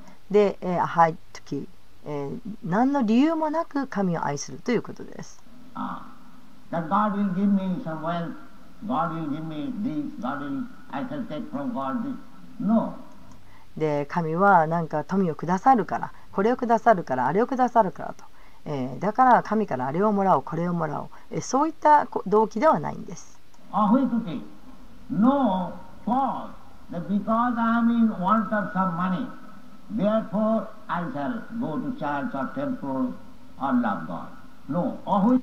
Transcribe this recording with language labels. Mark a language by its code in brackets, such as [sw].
[ja] で、アハイトキ、何の理由もなく神を愛するということです。 [en] God will give me some wealth. God will give me this. God will, I shall take from God this. No. [ja] で神はなんか富をくださるからこれをくださるからあれをくださるからと、だから神からあれをもらおうこれをもらおう、そういった動機ではないんです。 [en] アフィクティブ No, false. Because I am in want of some money, therefore I shall go to church or temple or love God. No, アフィク